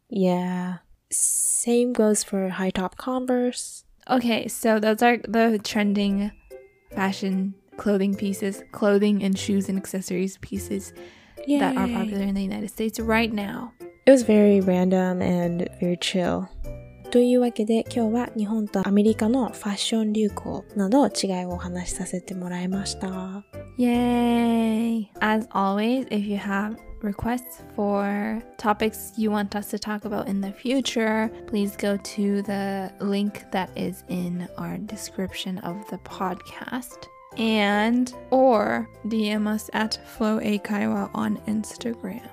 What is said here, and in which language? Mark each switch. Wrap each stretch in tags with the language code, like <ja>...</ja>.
<en>Yeah, same goes for high top Converse. Okay, so those are the trending fashion clothing pieces, clothing and shoes and accessories pieces that are popular in the United States right now. It was very random and very chill.</en> <ja>というわけで、今日は日本とアメリカのファッション流行など違いをお話しさせてもらいました。</ja> <en>Yay! As always, if you have requests for topics you want us to talk about in the future, please go to the link that is in our description of the podcast. And or DM us at FlowAkaiwa on Instagram.</en>